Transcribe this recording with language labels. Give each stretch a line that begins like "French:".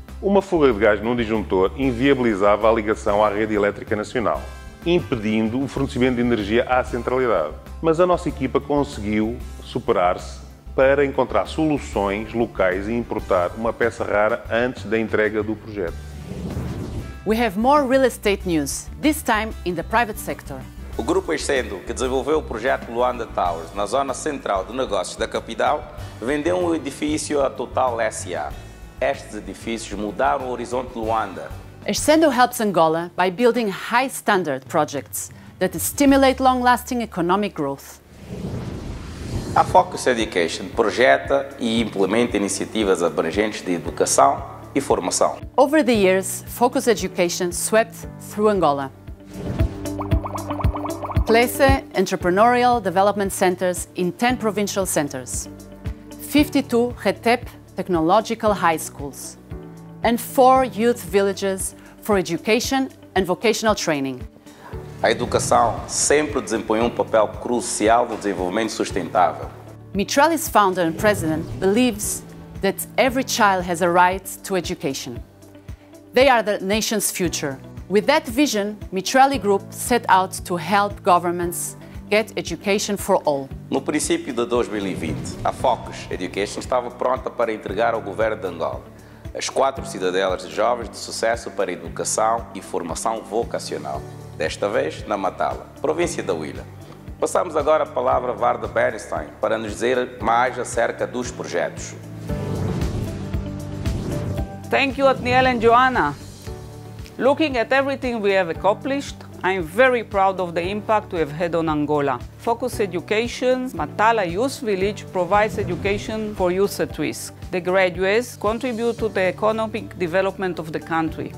Portuguese: Uma fuga de gás num disjuntor inviabilizava a ligação à rede elétrica nacional, impedindo o fornecimento de energia à centralidade. Mas a nossa equipa conseguiu superar-se para encontrar soluções locais e importar uma peça rara antes da entrega do projeto.
English: We have more real estate news, this time in the private sector.
Portuguese: O Grupo Estendo, que desenvolveu o projeto Luanda Towers na zona central de negócios da capital, vendeu um edifício à Total S.A. Estes edifícios mudaram o horizonte de Luanda.
English: Estendo helps Angola by building high-standard projects that stimulate long-lasting economic growth.
Portuguese: A Focus Education projeta e implementa iniciativas abrangentes de educação e formação.
English: Over the years, Focus Education swept through Angola. Place entrepreneurial development centers in 10 provincial centers, 52 RETEP technological high schools, and 4 youth villages for education and vocational training.
Portuguese: A educação sempre desempenhou um papel crucial no desenvolvimento sustentável.
English: Mitrelli's founder and president believes that every child has a right to education. They are the nation's future. With that vision, Mitrelli Group set out to help governments Get Education for All.
Portuguese: No princípio de 2020, a Focus Education estava pronta para entregar ao governo de Angola as quatro cidadelas de jovens de sucesso para educação e formação vocacional. Desta vez, na Matala, província da Huila. Passamos agora a palavra a Varda Bernstein para nos dizer mais acerca dos projetos.
English: Thank you, Otniel and Joanna. Looking at everything we have accomplished, I'm very proud of the impact we have had on Angola. Focus Education's Matala Youth Village provides education for youth at risk. The graduates contribute to the economic development of the country.